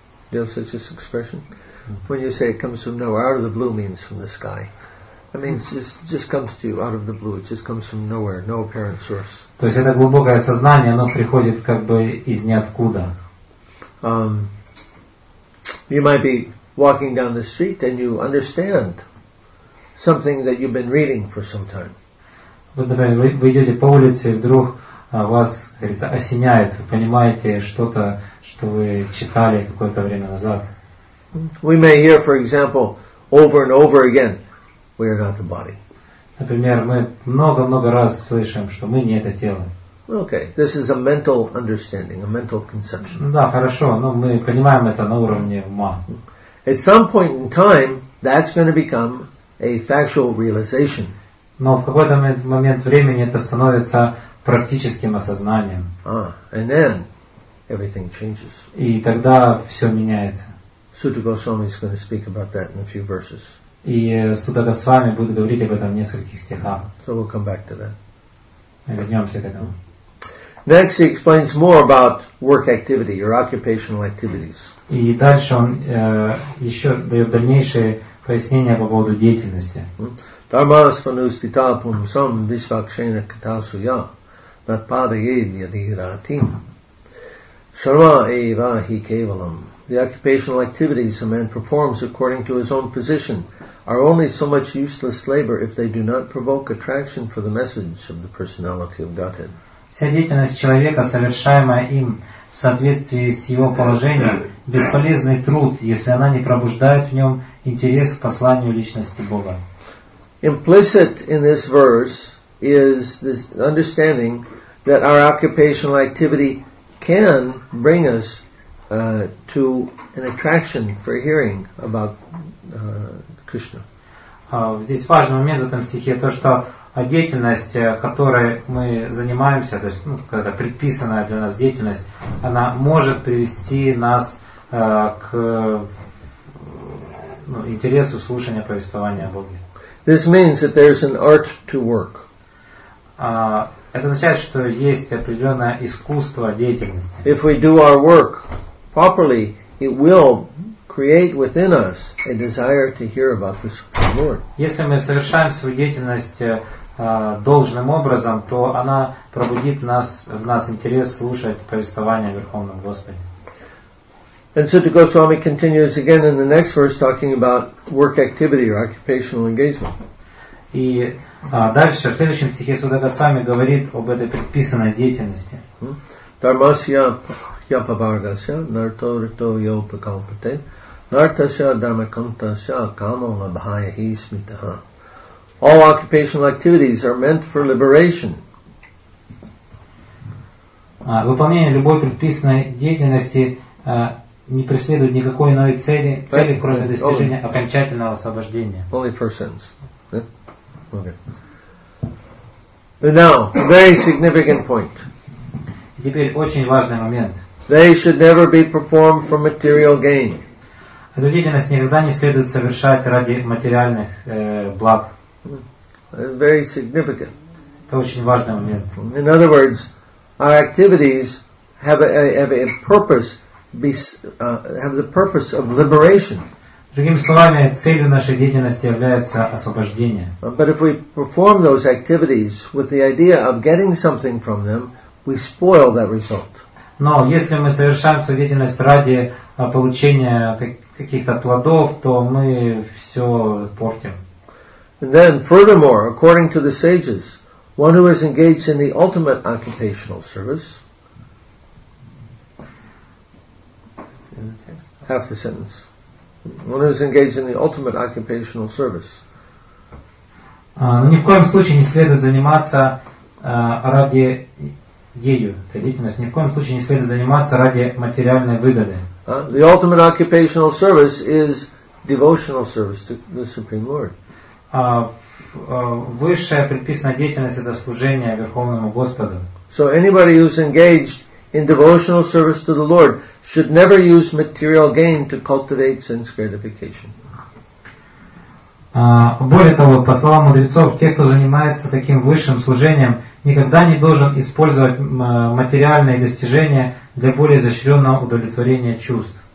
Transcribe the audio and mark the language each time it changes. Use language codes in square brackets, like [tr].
[en] Do you have such this expression? When you say it comes from nowhere, out of the blue means from the sky. It means just comes to you out of the blue. It just comes from nowhere, no apparent source. [ru] То есть это глубокое сознание, оно приходит как бы из ниоткуда. [en] You might be walking down the street and you understand something that you've been reading for some time. [ru] Вот, например, вы идете по улице, и вдруг вас, как говорится, осеняет, вы понимаете что-то, что вы читали какое-то время назад. [en] We may hear, for example, over and over again, we are not the body. [ru] Например, мы много-много раз слышим, что мы не это тело. [en] Okay, this is a mental understanding, a mental conception. [ru] Да, хорошо, но мы понимаем это на уровне ума. [en] At some point in time, that's going to become a factual realization. [ru] Но в какой-то момент времени это становится практическим осознанием. [en] And then everything changes. [ru] И тогда все меняется. [en] Сута Госвами is going to speak about that in a few verses. [ru] И Суда Госвами будет говорить об этом в нескольких стихах. [en] So we'll come back to that. [ru] Вернемся к этому. [en] Next, he explains more about work activity, your occupational activities. [ru] И дальше он еще дает дальнейшие пояснения по поводу деятельности. [sa] Дармасвануститапун сам висвакшена катасуя над падаедьядиратим. Шарма эйва хи кевалам. [en] The occupational activities a man performs according to his own position are only so much useless labor if they do not provoke attraction for the message of the personality of Godhead. [ru] Вся деятельность человека, совершаемая им в соответствии с его положением, бесполезный труд, если она не пробуждает в нем интерес к посланию личности Бога. [en] Implicit in this verse is this understanding that our occupational activity can bring us to an attraction for hearing about Krishna. [ru] Здесь важный момент в этом стихе то, что деятельность, которой мы занимаемся, то есть, ну, какая-то предписанная для нас деятельность, она может привести нас к ну, интересу слушания повествования о Боге. [en] This means that there is an art to work. [ru] Это означает, что есть определенное искусство деятельности. [en] If we do our work properly, it will create within us a desire to hear about the Lord. [ru] Если мы совершаем свою деятельность должным образом, то она пробудит нас, в нас интерес слушать повествование о Верховном Господе. [en] And Sutta Goswami continues again in the next verse talking about work activity or occupational engagement. [ru] И дальше, в следующем стихе Сутта Госвами говорит об этой предписанной деятельности. [sa] Дармасья Япабаргасья нарто рито йопакалпате нартасья дармакантасья камо лабхая хи смитаха. [en] All occupational activities are meant for liberation. [ru] Выполнение любой предписанной деятельности не преследует никакой иной цели, цели кроме достижения окончательного освобождения. [en] Only first sentence. Okay. But now, very significant point. [ru] Теперь очень важный момент. [en] They should never be performed for material gain. [ru] Эту деятельность никогда не следует совершать ради материальных благ. [en] It's very significant. [ru] Это очень важный момент. [en] In other words, our activities have a purpose, have the purpose of liberation. [ru] Другими словами, целью нашей деятельности является освобождение. [en] But if we perform those activities with the idea of getting something from them, we spoil that result. [ru] Но если мы совершаем свою деятельность ради получения каких-то плодов, то мы все портим. [en] And then, furthermore, according to the sages, one who is engaged in the ultimate occupational service, half the sentence, one who is engaged in the ultimate occupational service, [ru] ни в коем случае не следует заниматься ради ею, этой деятельности, ни в коем случае не следует заниматься ради материальной выгоды. [en] The ultimate occupational service is devotional service to the Supreme Lord. [ru] Высшая предписанная деятельность это служение Верховному Господу. [en] So anybody who's engaged in devotional service to the Lord should never use material gain to cultivate sense gratification. [ru] Более того, по словам мудрецов, те, кто занимается таким высшим служением, никогда не должен использовать материальные достижения для более изощренного удовлетворения чувств.